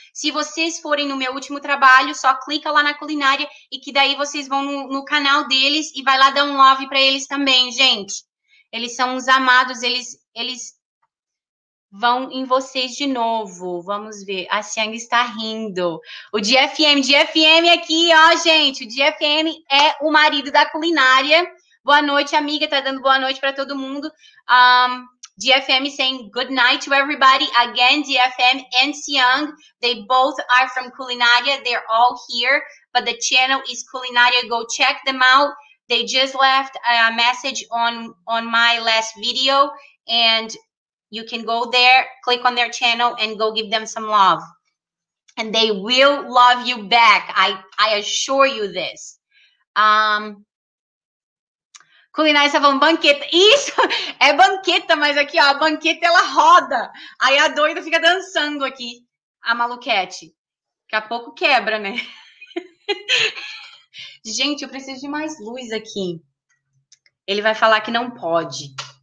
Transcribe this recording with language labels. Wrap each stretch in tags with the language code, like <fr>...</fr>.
<pt>Se vocês forem no meu último trabalho, só clica lá na culinária e que daí vocês vão no canal deles e vai lá dar um love para eles também, gente. Eles são os amados, eles vão em vocês de novo. Vamos ver. A Siang está rindo. O GFM, GFM aqui, ó, gente. O GFM é o marido da culinária. Boa noite, amiga. Tá dando boa noite para todo mundo.</pt> <en>GFM saying good night to everybody again. GFM and Siang, they both are from Culinária. They're all here, but the channel is Culinária. Go check them out. They just left a message on my last video, and you can go there, click on their channel, and go give them some love. And they will love you back. I assure you this.</en> <pt>Culinária, você tá falando banqueta. Isso é banqueta, mas aqui, ó, a banqueta ela roda. Aí a doida fica dançando aqui, a maluquete. Daqui a pouco quebra, né? Gente, eu preciso de mais luz aqui. Ele vai falar que não pode.</pt>